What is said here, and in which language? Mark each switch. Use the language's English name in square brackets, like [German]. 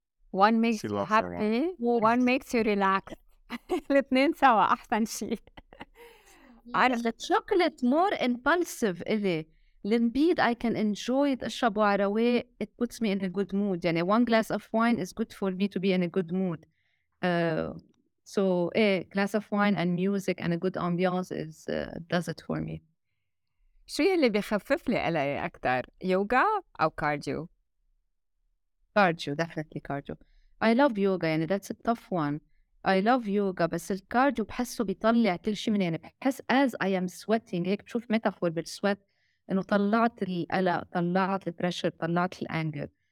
[English] One makes you happy, one makes you relax. [Arabic] الاثنين سوا أحسن شيء. الشوكولات [English] more impulsive [Arabic] إلي. المبيد [English] I can enjoy it, [Arabic] أشرب عروي, [English] it puts me in a good mood. [Arabic] يعني [English] one glass of wine is good for me to be in a good mood. So glass of wine and music and a good ambiance does it for me. [Arabic] شو يلي بيخفف لي قلقي أكتر؟ يوغا أو كارديو؟ كارديو، [English] definitely [Arabic] كارديو. [English] I love yoga [Arabic] يعني [English] that's a tough one. [Arabic] I love yoga بس الكارديو بحسه بيطلع كل شيء مني، يعني بحس [English] as I am sweating [Arabic] هيك بشوف ميتافور بالسويت إنه طلعت القلق، طلعت البريشر، طلعت الأنجر.